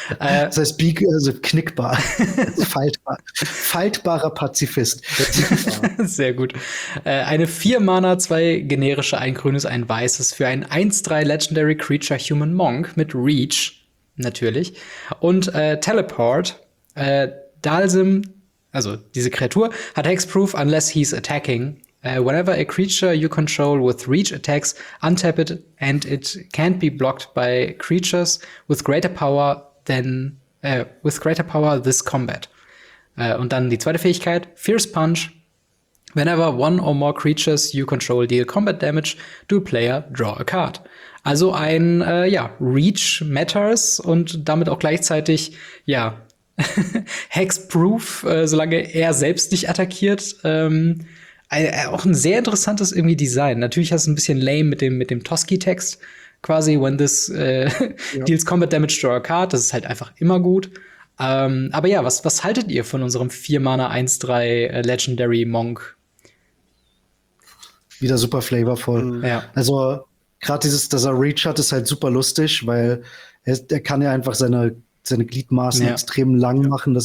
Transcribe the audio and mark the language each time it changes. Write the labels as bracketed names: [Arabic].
[German] Das heißt, also knickbar, faltbar. Faltbarer Pazifist. Sehr gut. Eine 4-Mana, 2 generische, ein grünes, ein weißes für ein 1-3 Legendary Creature Human Monk mit Reach, natürlich. Und Teleport. Dalsim, also diese Kreatur, hat Hexproof, [English] unless he's attacking. Whenever a creature you control with reach attacks, untap it and it can't be blocked by creatures with greater power than with greater power this combat. [German] Und dann die zweite Fähigkeit, Fierce Punch. [English] Whenever one or more creatures you control deal combat damage, do player draw a card. [German] Also ein Reach matters und damit auch gleichzeitig ja Hexproof, solange er selbst nicht attackiert. Auch ein sehr interessantes irgendwie Design. Natürlich hast du ein bisschen lame mit dem Toski-Text quasi. [English] When this deals combat damage, draw a card. [German] Das ist halt einfach immer gut. Aber ja, was haltet ihr von unserem 4-Mana 1-3 Legendary Monk? Wieder super flavorvoll. Ja. Also, gerade dieses, dass er Reach hat, ist halt super lustig, weil er kann ja einfach seine Gliedmaßen extrem lang machen.